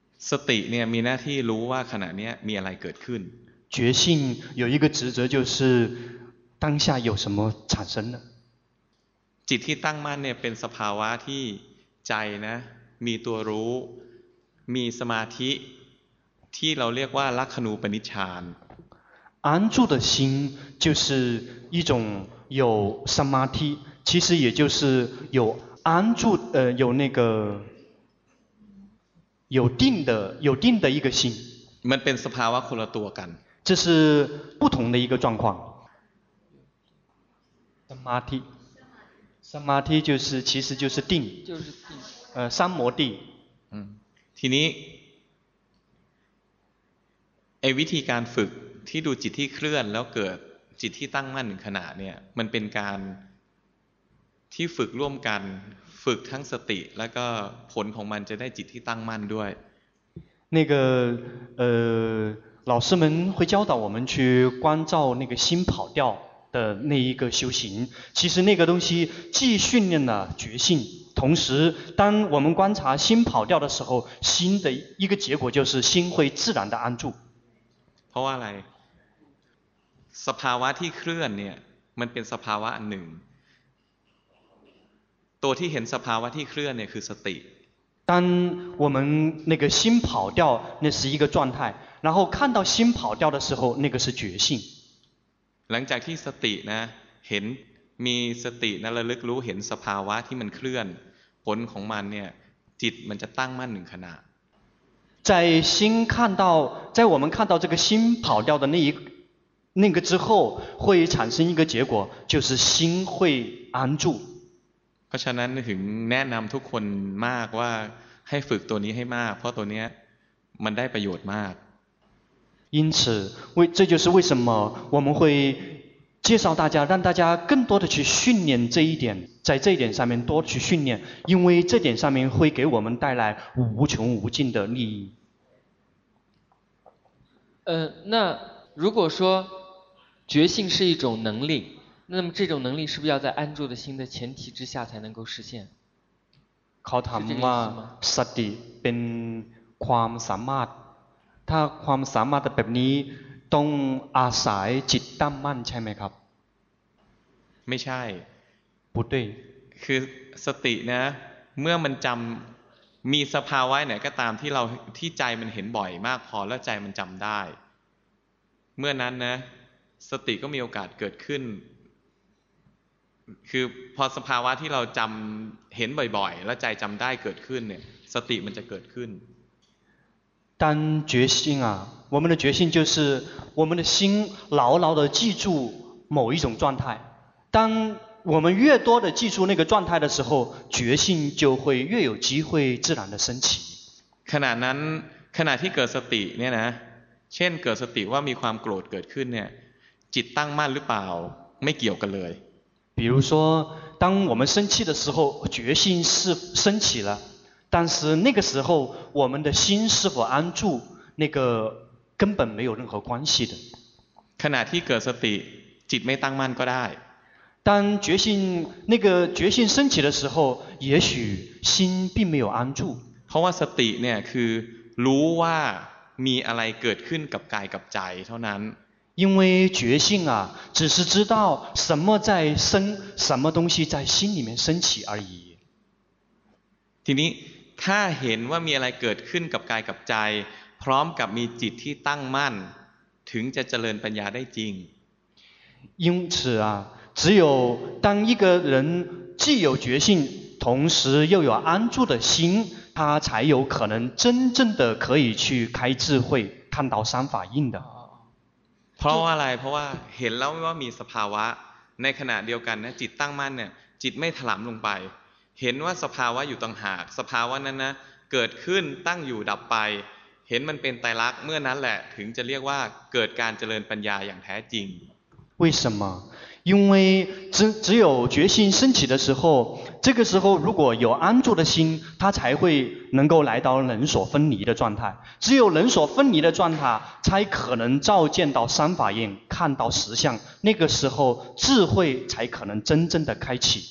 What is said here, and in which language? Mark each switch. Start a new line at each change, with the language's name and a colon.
Thai: สติเนี่ยมีหน้าที่รู้ว่าขณะนี้มีอะไรเกิดขึ้น
Chinese: 觉性有一个职责就是当下有什么产生呢
Thai: จิตที่ตั้งมั่นเนี่ยเป็นสภาวะที่ใจนะมีตัวรู้มีสมาธิที่เราเรียกว่าลักขณูปนิชฌาน
Chinese: 安住的心就是一种有สมาธิ其实也就是有安住有那个有定的一个心
Thai: มันเป็นสภาวะคนละตัวกัน
Chinese: 这是不同的一个状况สมาธิ就是其实就是定就是定三摩地
Thai: ทีนี้ไอ้วิธีการฝึกที่ดูจิตที่เคลื่อนแล้วเกิดจิตที่ตั้งมั่นหนึ่งขณะเนี่ยมันเป็นการที่ฝึกร่วมกันฝึกทั้งสติแล้วก็ผลของมันจะได้จิตที่ตั้งมั่นด้วย
Chinese: 那个老师们会教导我们去关照那个心跑掉的那一个修行其实那个东西既训练了觉性同时当我们观察心跑掉的时候心的一个结果就是心会自然的安住
Thai: เพราะว่าอะไรสภาวะที่เคลื่อนเนี่ยมันเป็นสภาวะหนึ่งตัวที่เห็นสภาวะที่เคลื่อนเนี่ยคือสติ
Chinese: 当我们那个心跑掉那是一个状态然后看到心跑掉的时候那个是觉性
Thai: หลังจากที่สตินะเห็นมีสตินะระลึกรู้เห็นสภาวะที่มันเคลื่อนผลของมันเนี่ยจิตมันจะตั้งมั่นหนึ่งขณะ
Chinese: 在我们看到这个心跑掉的那个之后会产生一个结果就是心会安住
Thai: เพราะฉะนั้นถึงแนะนำทุกคนมากว่าให้ฝึกตัวนี้ให้มากเพราะตัวนี้มันได้ประโยชน์มาก
Chinese: 因此这就是为什么我们会介绍大家让大家更多的去训练这一点在这一点上面多去训练因为这点上面会给我们带来无穷无尽的利益那如果说觉性是一种能力那么这种能力是不是要在安住的心的前提之下才能够实现
Thai: เขาถามว่าสติเป็นความสามารถถ้าความสามารถแบบนี้ต้องอาศัยจิตตั้งมั่นใช่ไหมครับ ไม่ใช่
Chinese: 不对
Thai: คือสตินะเมื่อมันจำมีสภาวะไหนก็ตามที่เราที่ใจมันเห็นบ่อยมากพอแล้วใจมันจำได้เมื่อนั้นนะสติก็มีโอกาสเกิดขึ้นคือพอสภาวะที่เราจำเห็นบ่อยๆแล้วใจจำได้เกิดขึ้นเนี่ยสติมันจะเกิดขึ้น
Chinese: 当觉性啊我们的觉性就是我们的心牢牢地记住某一种状态当我们越多地记住那个状态的时候觉性就会越有机会自然地升起
Thai: ขณะนั้นขณะที่เกิดสติเนี่ยนะเช่นเกิดสติว่ามีความโกรธเกิดขึ้นเนี่ยจิตตั้งมั่นหรือเปล่าไม่เกี่ยวกันเลย
Chinese: 比如说当我们生气的时候觉性是升起了但是那个时候我们的心是否安住那个根本没有任何关系的
Thai: ขณะที่เกิดสติจิตไม่ตั้งมั่นก็ได้
Chinese: 当觉性那个觉性升起的时候也许心并没有安住
Thai: เพราะว่าสติเนี่ยคือรู้ว่ามีอะไรเกิดขึ้นกับกายกับใจเท่านั้น
Chinese: 因为觉性啊只是知道什么在生什么东西在心里面升起而已
Thai: ทีนี้ถ้าเห็นว่ามีอะไรเกิดขึ้นกับกายกับใจพร้อมกับมีจิตที่ตั้งมั่นถึงจะเจริญปัญญาได้จริง
Chinese: 因此啊只有当一个人既有觉性同时又有安住的心他才有可能真正的可以去开智慧看到三法印的
Thai: เพราะว่าอะไรเพราะว่าเห็นแล้วว่ามีสภาวะในขณะเดียวกันนะจิตตั้งมั่นเนี่ยจิตไม่ถลำลงไปเห็นว่าสภาวะอยู่ต่างหากสภาวะนั้นนะเกิดขึ้นตั้งอยู่ดับไปเห็นมันเป็นไตรลักษณ์เมื่อนั้นแหละถึงจะเรียกว่าเกิดการเจริญปัญญาอย่างแท้จริง
Chinese: 为什么因为 只有决心升起的时候这个时候如果有安住的心它才会能够来到人所分离的状态只有人所分离的状态才可能照见到三法印看到实相那个时候智慧才可能真正的开启